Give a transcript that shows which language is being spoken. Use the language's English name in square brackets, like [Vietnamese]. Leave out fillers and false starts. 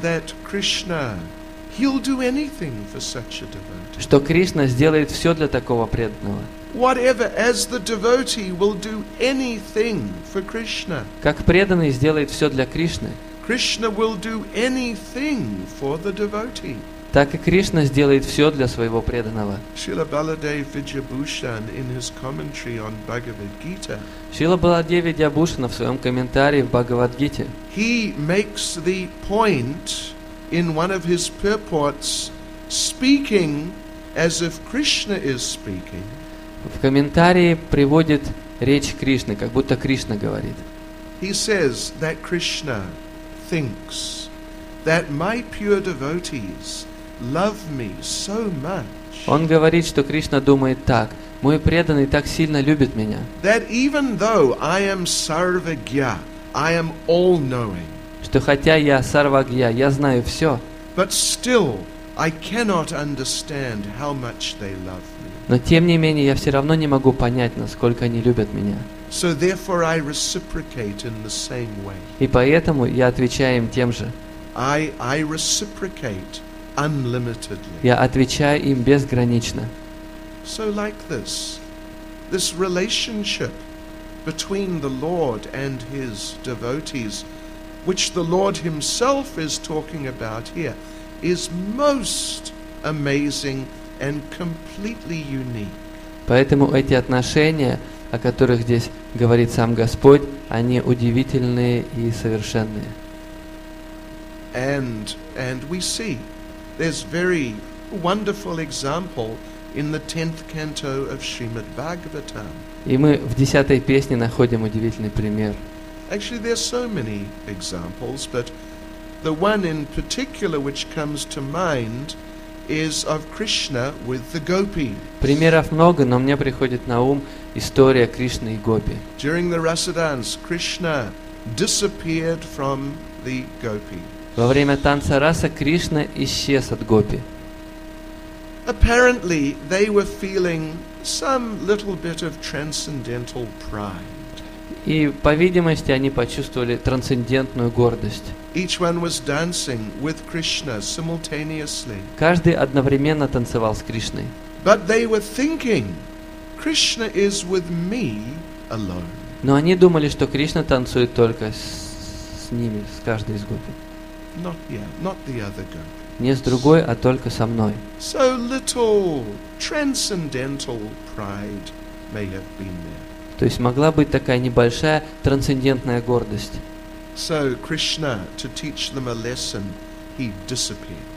[English] That Krishna, he'll do anything for such a devotee. [Russian] Что Кришна сделает все для такого преданного. [English] Whatever, as the devotee will do anything for Krishna. [Russian] Как преданный сделает все для Кришны. [English] Krishna will do anything for the devotee. [Russian] Так и Кришна сделает все для своего преданного. [English] Шрила Баладева Виджабушан in his commentary on Bhagavad Gita. [Russian] Шрила Баладева Виджабушана в своем комментарии в Бхагавадгите. [English] He makes the point in one of his purports, speaking as if Krishna is speaking. [Russian] В комментарии приводит речь Кришны, как будто Кришна говорит. [English] He says that Krishna thinks that my pure devotees love me so much. [Russian] Он говорит, что Кришна думает так: мой преданный так сильно любит меня. [English] That even though I am sarvagya, I am all-knowing. [Russian] Что хотя я сарвагья, я знаю все. [English] But still, I cannot understand how much they love me. [Russian] Но тем не менее я все равно не могу понять, насколько они любят меня. [English] So therefore, I reciprocate in the same way. [Russian] И поэтому я отвечаю им тем же. [English] I reciprocate unlimitedly. [Russian] Я отвечаю им безгранично. [English] So like this relationship between the Lord and his devotees, which the Lord himself is talking about here, is most amazing and completely unique. [Russian] Поэтому эти отношения, о которых здесь говорит сам Господь, они удивительные и совершенные. [English] And we see there's very wonderful example in the 10th canto of Srimad Bhagavatam. [Russian] И мы в 10-й песне находим удивительный пример. [English] Actually, there are so many examples, but the one in particular which comes to mind is of Krishna with the gopis. [Russian] Примеров много, но мне приходит на ум история Кришны и Гопи. [English] During the Rasa dance, Krishna disappeared from the gopis. [Russian] Во время танца раса Кришна исчез от Гопи. [English] Apparently, they were feeling some little bit of transcendental pride. [Russian] И, по видимости, они почувствовали трансцендентную гордость. [English] Each one was dancing with Krishna simultaneously. [Russian] Каждый одновременно танцевал с Кришной. [English] But they were thinking, Krishna is with me alone. [Russian] Но они думали, что Кришна танцует только с ними, с каждой из гопи. [English] Not the other gopis. [Russian] Не с другой, а только со мной. [English] So little transcendental pride may have been there. [Russian] То есть могла быть такая небольшая трансцендентная гордость. [English] So, Krishna, to teach them a lesson, he disappeared.